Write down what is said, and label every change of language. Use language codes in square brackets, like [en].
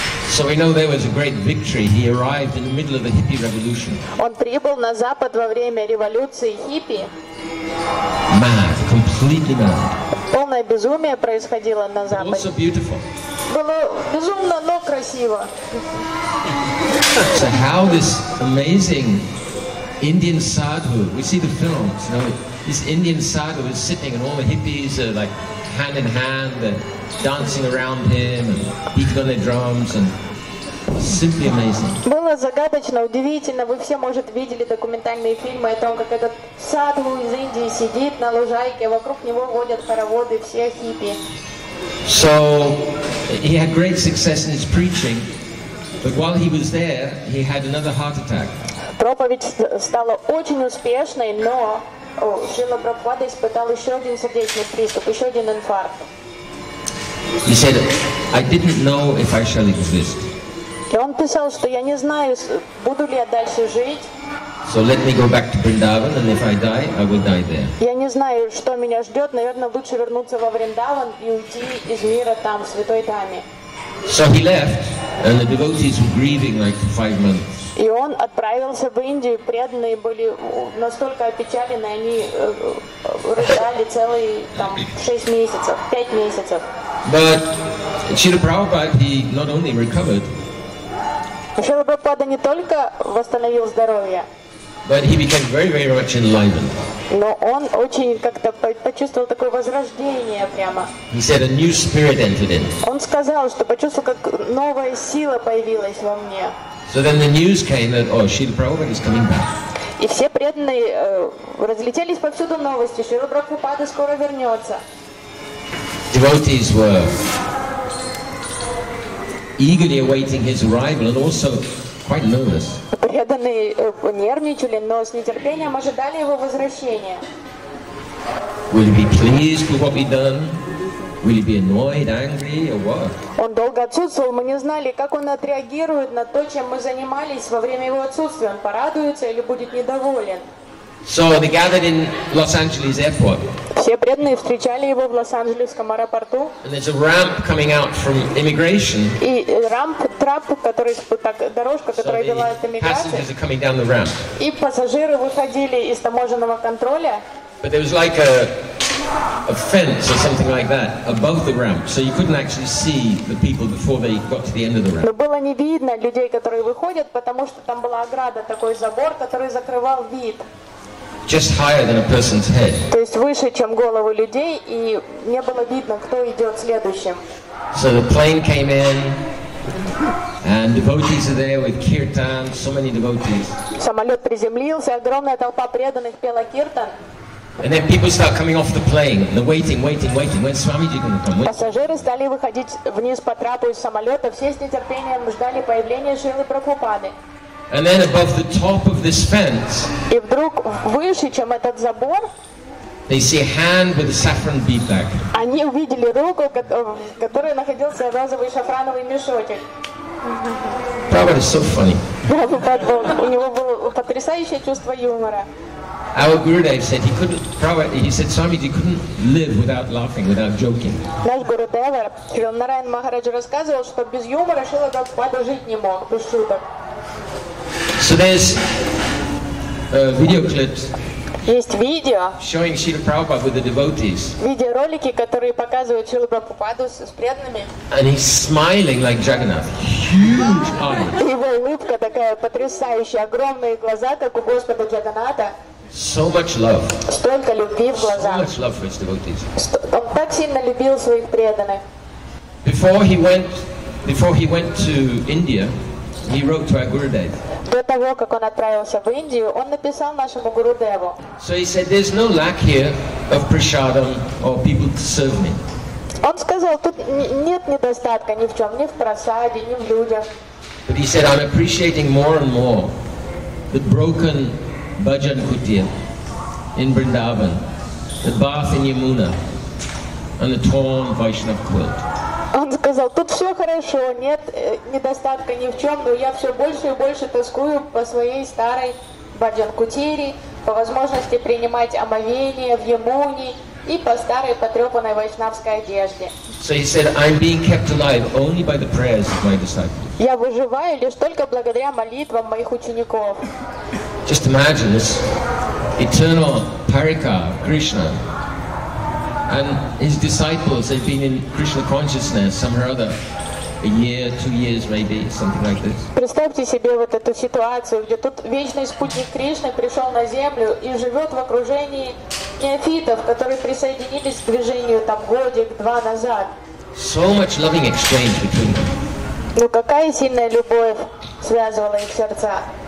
[en] So we know there was a great victory. He arrived in the middle of the hippie revolution. [ru] Он прибыл на Запад во время революции хиппи. [en] Mad, completely mad. [ru] Полное безумие происходило на Западе. [en] But also beautiful. [ru] Было безумно, но красиво. [en] So how this amazing Indian sadhu, we see the films, you know, this Indian sadhu is sitting and all the hippies are like hand in hand and dancing around him and beating on their drums and simply amazing. [ru] Было загадочно, удивительно. Вы все, может, видели документальные фильмы о том, как этот садху из Индии сидит на лужайке, вокруг него водят хороводы, все хиппи. [en] So he had great success in his preaching, but while he was there, he had another heart attack. [ru] Проповедь стала очень успешной, но Шрила Прабхупада испытал еще один сердечный приступ, еще один инфаркт. [en] He said, I didn't know if I shall exist. [ru] И он писал, что я не знаю, буду ли я дальше жить. [en] So let me go back to Vrindavan, and if I die, I will die there. [ru] Я не знаю, что меня ждет. Наверное, лучше вернуться во Вриндаван и уйти из мира там, в Святой Даме. [en] So he left, and the devotees were grieving like for 5 months. [ru] И он отправился в Индию, преданные были настолько опечалены, они рыдали целые там 6 месяцев, 5 месяцев. [en] But Srila Prabhupada, he not only recovered. [ru] Шрила Прабхупада не только восстановил здоровье. [en] But he became very, very much enlightened. [ru] Но он очень как-то почувствовал такое возрождение прямо. [en] He said a new spirit entered in. [ru] Он сказал, что почувствовал, как новая сила появилась во мне. [en] So then the news came that, oh, Srila Prabhupada is coming back. [ru] И все преданные разлетелись повсюду новости, Шрила Прабхупада скоро вернется. [en] Devotees were eagerly awaiting his arrival and also quite nervous. [ru] Преданные нервничали, но с нетерпением ожидали его возвращения. [en] Will he be pleased with what we've done? Will he be annoyed, angry, or what? [ru] Он долго отсутствовал, мы не знали, как он отреагирует на то, чем мы занимались во время его отсутствия. Он порадуется или будет недоволен? [en] So they gathered in Los Angeles airport. [ru] Все преданные встречали его в Лос-Анджелесском аэропорту. [en] And there's a ramp coming out from immigration. [ru] И рамп, трап, который так дорожка, которая вела от иммиграции. [en] Passengers are coming down the ramp. [ru] И пассажиры выходили из таможенного контроля. [en] But there was like a fence or something like that above the ramp, so you couldn't actually see the people before they got to the end of the ramp. [ru] Но было не видно людей, которые выходят, потому что там была ограда, такой забор, который закрывал вид. [en] Just higher than a person's head. [ru] То есть выше, чем головы людей, и не было видно, кто идет следующим. [en] So the plane came in, and devotees are there with kirtan. So many devotees. [ru] Самолет приземлился, огромная толпа преданных пела киртан. [en] And then people start coming off the plane. They're waiting. When's Swamiji going to come? When... [ru] Пассажиры стали выходить вниз по трапу из самолета. Все с нетерпением ждали появления Шрилы Прабхупады. [en] And then above the top of this fence, [ru] и вдруг выше, чем этот забор, [en] they see a hand with a saffron beadbag. [ru] Они увидели руку, в которой находился розовый шафрановый мешочек. [en] Prabhupada is so funny. [ru] У него было потрясающее чувство юмора. [en] Our Gurudev said he couldn't. Prabhupada, he said, Swamiji couldn't live without laughing, without joking. [ru] Наш Гурудев, Шрила Нараян Махарадж, рассказывал, что без юмора Шрила Прабхупада жить не мог, без шуток. [en] So there's video clips. [ru] Есть видео. [en] Showing Srila Prabhupada with the devotees. [ru] Видеоролики, которые показывают Шрилу Прабхупаду с преданными. [en] And he's smiling like Jagannath. Huge eyes. [ru] Его улыбка такая потрясающая, огромные глаза, как у Господа Джаганната. [en] So much love. [ru] Столько любви в глазах. [en] So much love for his devotees. [ru] Он так сильно любил своих преданных. [en] Before he went to India, he wrote to our Gurudev. [ru] До того, как он отправился в Индию, он написал нашему Гурудеву. [en] So he said, there's no lack here of prasadam or people to serve me. [ru] Он сказал, тут нет недостатка ни в чем, ни в прасаде, ни в людях. [en] But he said, I'm appreciating more and more the broken bhajan kutir in Vrindavan, the bath in Yamuna, and the torn Vaishnava quilt. [ru] Он сказал, тут все хорошо, нет недостатка ни в чем, но я все больше и больше тоскую по своей старой баджан-кутире, по возможности принимать омовение в Ямуне и по старой потрепанной вайшнавской одежде. [en] So he said, I'm being kept alive only by the prayers of my disciples. [ru] Я выживаю лишь только благодаря молитвам моих учеников. [en] Just imagine this eternal parika, Krishna. And his disciples have been in Krishna consciousness somewhere or other, a year, 2 years maybe, something like this. [ru] Представьте себе вот эту ситуацию, где тут вечный спутник Кришны пришел на землю и живет в окружении неофитов, которые присоединились к движению там годик-два назад. [en] So much loving exchange between them. [ru] Ну какая сильная любовь связывала их сердца?